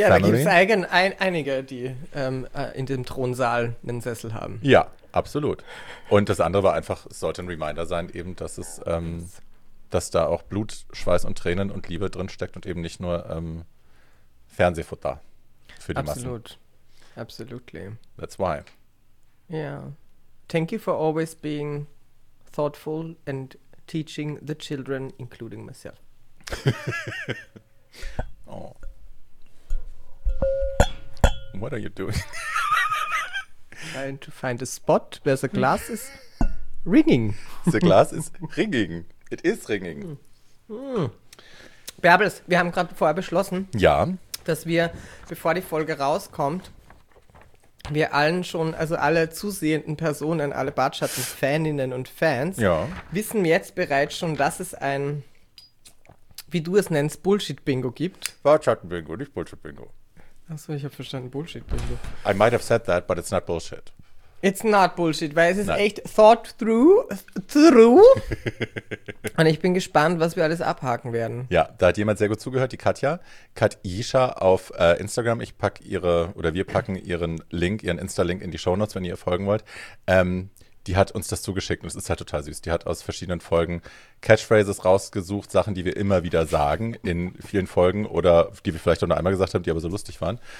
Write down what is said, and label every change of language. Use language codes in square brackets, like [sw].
[de] Ja, da gibt es einige, die in dem Thronsaal einen Sessel haben. Ja, absolut. Und das andere war einfach, es sollte ein Reminder sein, eben, dass es, dass da auch Blut, Schweiß und Tränen und Liebe drinsteckt und eben nicht nur Fernsehfutter für die Massen. Absolut. [en] Absolutely. That's why. Yeah. Thank you for always being thoughtful and teaching the children, including myself. Oh. What are you doing? Trying to find a spot where the glass is ringing. The glass is ringing. It is ringing. [de] Bärbels, wir haben gerade vorher beschlossen, dass wir, bevor die Folge rauskommt, wir allen schon, also alle zusehenden Personen, alle Bartschatten-Faninnen und Fans, wissen jetzt bereits schon, dass es ein, wie du es nennst, Bullshit-Bingo gibt. Bartschatten-Bingo, nicht Bullshit-Bingo. Achso, ich habe verstanden, Bullshit-Bingo. [en] I might have said that, but it's not Bullshit. It's not Bullshit, [de] weil es ist echt [en] thought through, through. [de] Und ich bin gespannt, was wir alles abhaken werden. Ja, da hat jemand sehr gut zugehört, die Katja. Katisha auf Instagram. Ich packe ihre, oder wir packen ihren Link, ihren Insta-Link in die Shownotes, wenn ihr folgen wollt. Die hat uns das zugeschickt und es ist halt total süß. Die hat aus verschiedenen Folgen Catchphrases rausgesucht, Sachen, die wir immer wieder sagen in vielen Folgen oder die wir vielleicht auch nur einmal gesagt haben, die aber so lustig waren.